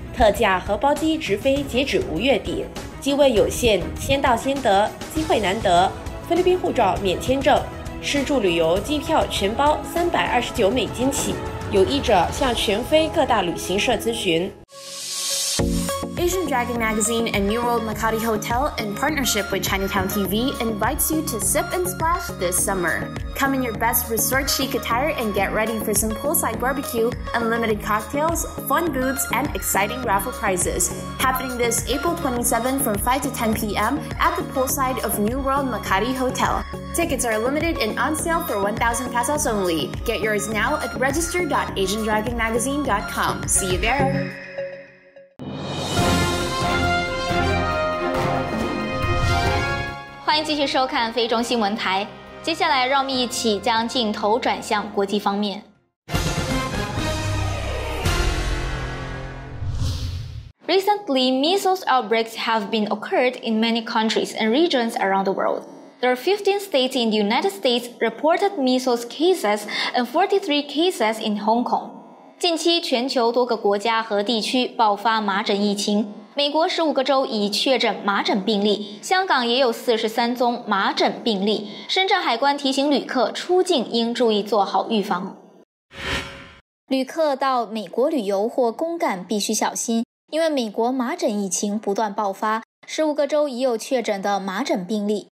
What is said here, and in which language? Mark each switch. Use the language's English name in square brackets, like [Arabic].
[Chinese] 特价和包机直飞截止五月底，机位有限，先到先得，机会难得。菲律宾护照免签证，吃住旅游机票全包$329起。有意者向全菲各大旅行社咨询。 [English] Asian Dragon Magazine and New World Makati Hotel in partnership with Chinatown TV invites you to sip and splash this summer. Come in your best resort chic attire and get ready for some poolside barbecue, unlimited cocktails, fun booths, and exciting raffle prizes. Happening this April 27 from 5 to 10 p.m. at the poolside of New World Makati Hotel. Tickets are limited and on sale for 1,000 pesos only. Get yours now at register.asiandragonmagazine.com. See you there! [Chinese] 欢迎继续收看菲中新闻台，接下来让我们一起将镜头转向国际方面。 [English] Recently, measles outbreaks have been occurred in many countries and regions around the world. There are 15 states in the United States reported measles cases and 43 cases in Hong Kong. [Chinese] 近期全球多个国家和地区爆发麻疹疫情，美国15个州已确诊麻疹病例，香港也有43宗麻疹病例。深圳海关提醒旅客出境应注意做好预防。旅客到美国旅游或公干必须小心，因为美国麻疹疫情不断爆发，15个州已有确诊的麻疹病例。